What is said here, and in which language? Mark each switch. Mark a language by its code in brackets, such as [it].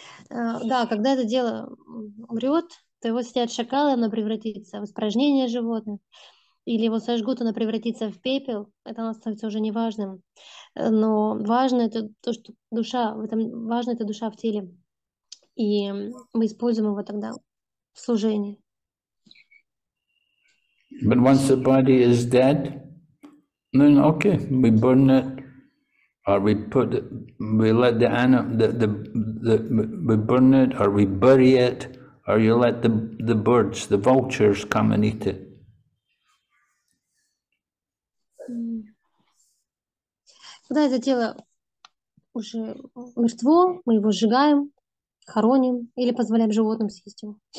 [ru] Да, когда это дело умрет, то его съедят шакалы, оно превратится в испражнение животных. Или его сожгут, она превратится в пепел, это оно становится уже неважным. Но важно это то, что душа в этом, важно это душа в теле. И мы используем его тогда в служении. [en] But once the body is dead, then okay, we burn it, or we put it, we let the animal, the we burn it, or we bury it, or you let the birds, the vultures come and eat it. [ru] Когда это тело уже мертво, мы его сжигаем, хороним или позволяем животным съесть его.